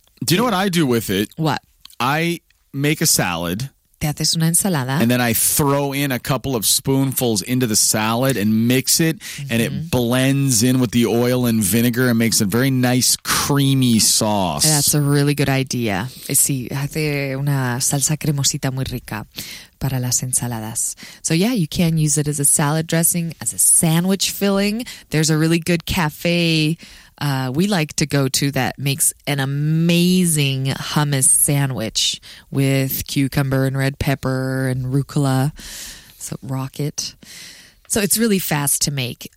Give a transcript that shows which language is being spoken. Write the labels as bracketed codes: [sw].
[en] Do you know what I do with it? What? I make a salad. [es] Te haces una ensalada. [en] And then I throw in a couple of spoonfuls into the salad and mix it, mm-hmm. and it blends in with the oil and vinegar and makes a very nice, creamy sauce. That's a really good idea. [es] Sí, hace una salsa cremosita muy rica para las ensaladas. [en] So yeah, you can use it as a salad dressing, as a sandwich filling. There's a really good cafe we like to go to that makes an amazing hummus sandwich with cucumber and red pepper and rucola. So rocket. So it's really fast to make.